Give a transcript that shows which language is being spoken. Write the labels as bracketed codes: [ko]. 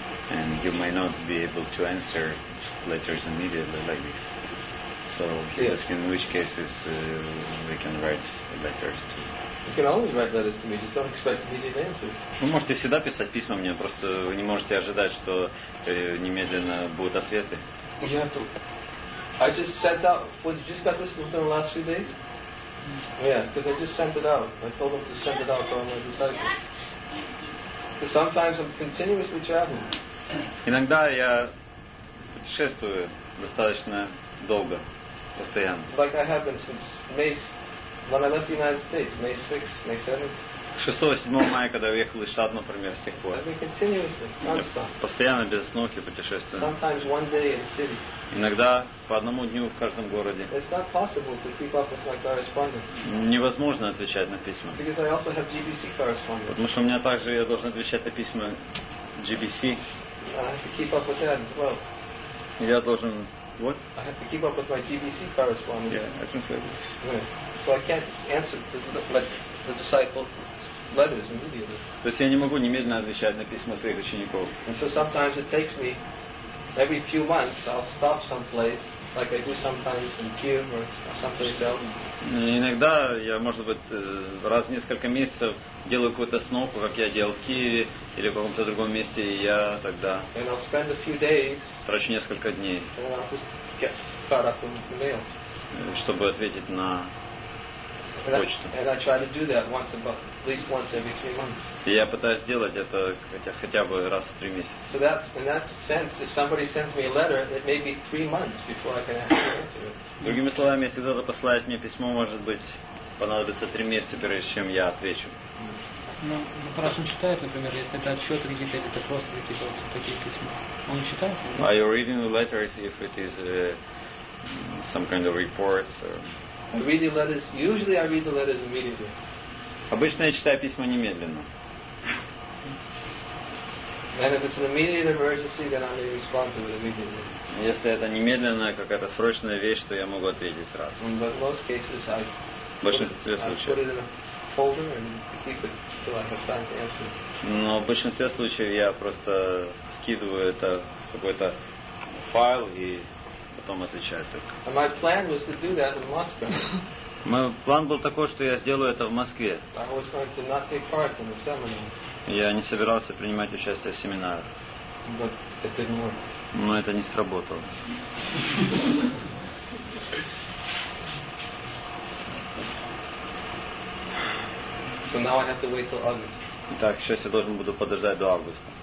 [en] And you may not be able to answer letters immediately like this. So he asked in which cases we can write letters to you. You can always write letters to me, just don't expect immediate answers. [ru] Вы можете всегда писать письма мне, просто вы не можете ожидать, что немедленно будут ответы. [en] You have to. I just sent out. What, you just got this within the last few days? Yeah, because I just sent it out. I told them to send it out to all my disciples. Because sometimes I'm continuously traveling. [ru] Иногда я путешествую достаточно долго, постоянно. [en] Like I have been since May. When I left the United States, May 6th, May 7th. [ru] 6-7 мая, когда я уехал из Штатов, например, с тех пор. [en] I've been continuously, non-stop. [ru] Постоянно без остановки путешествую. [en] Sometimes one day in the city. [ru] Иногда по одному дню в каждом городе. [en] It's not possible to keep up with my correspondence. [ru] Невозможно отвечать на письма. [en] Because I also have GBC correspondence. [ru] Потому что у меня также я должен отвечать на письма GBC. [en] I have to keep up with that as well. [ru] Я должен... [en] What? I have to keep up with my GBC correspondence. Yeah, I can say this. So I can't answer the disciples' letters immediately. [ru] То есть я не могу немедленно отвечать на письма своих учеников. [en] And so sometimes it takes me every few months. I'll stop someplace, like I do sometimes in Kyiv or someplace else. [ru] Иногда я, может быть, раз в несколько месяцев делаю какую-то остановку, как я делал в Киеве или в каком-то другом месте, и я тогда. [en] And I'll spend a few days. [ru] Трачу несколько дней. [en] And I'll just get caught up in the mail. [ru] Чтобы ответить на [en] And I try to do that once, about at least once every 3 months. [ru] Я пытаюсь сделать это хотя бы раз в 3 месяца. [en] So that, in that sense, if somebody sends me a letter, it may be 3 months before I can actually answer it. [ru] Другими словами, если кто-то посылает мне письмо, может быть, понадобится 3 месяца, прежде чем я отвечу. Ну, хорошо читает, например, если это отчеты какие-то, или это просто какие-то вот такие письма. Он читает? [en] Are you reading the letters if it is some kind of reports or? Read the letters. Usually, I read the letters immediately. [ru] Обычно я читаю письма немедленно. [en] And if it's an immediate emergency, then I may respond to it immediately. [ru] Если это немедленная какая-то срочная вещь, то я могу ответить сразу. [en] But most cases, I put it in a folder and keep it till I have time to answer. [ru] Но в большинстве случаев я просто скидываю это какой-то файл и [en] And my plan was to do that in Moscow. [ru] Мой план был такой, что я сделаю это в Москве. [en] I was going to not take part in the seminar. [ru] Я не собирался принимать участие в семинаре. [en] But it didn't work. [ru] Но это не сработало. [en] So now I have to wait till August. [ru] Итак, сейчас я должен буду подождать до августа.